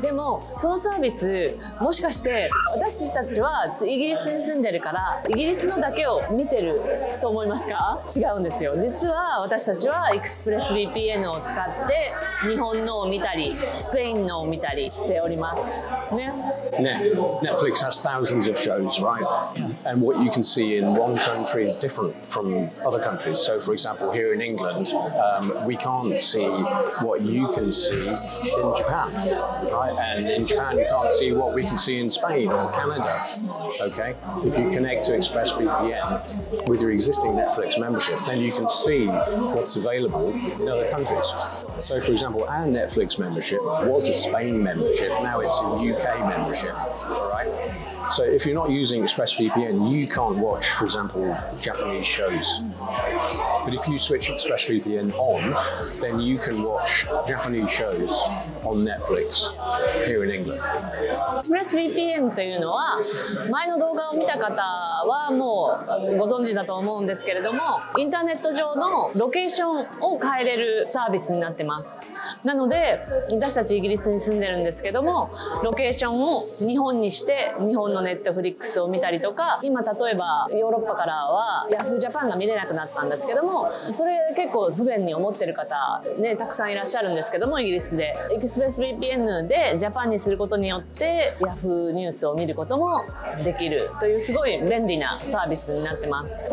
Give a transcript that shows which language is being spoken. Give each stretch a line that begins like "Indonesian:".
Japanese: でもそのサービス、もしかして私たちはイギリスに住んでるからイギリスのだけを見てると思いますか？違うんですよ。実は私たちはエクスプレス VPN を使って日本のを見たりスペインのを見たりしておりますね。
English: Yeah. Netflix has thousands of shows, right? And what you can see in one country is different from other countries. So, for example, here in England, we can't see what you can see in Japan, right? And in Japan, you can't see what we can see in Spain or Canada, okay? If you connect to ExpressVPN with your existing Netflix membership, then you can see what's available in other countries. So, for example, our Netflix membership was a Spain membership, now it's a UK membership. Right. So if you're not using ExpressVPN, you can't watch, for example, Japanese shows. But if you switch ExpressVPN on, then you can watch Japanese shows on Netflix here in England.
Japanese: ExpressVPN というのは、前の動画を見た方はもうご存知だと思うんですけれども、インターネット上のロケーションを変えれるサービスになってます。なので、私たちイギリスに住んでるんですけども、ロケーションを日本にして日本のネットフリックスを見たりとか、今例えばヨーロッパからはヤフージャパンが見れなくなったんですけども、それ結構不便に思ってる方ね、たくさんいらっしゃるんですけども、イギリスでエクスプレス VPN でジャパンにすることによってヤフーニュースを見ることもできるというすごい便利なサービスになってます。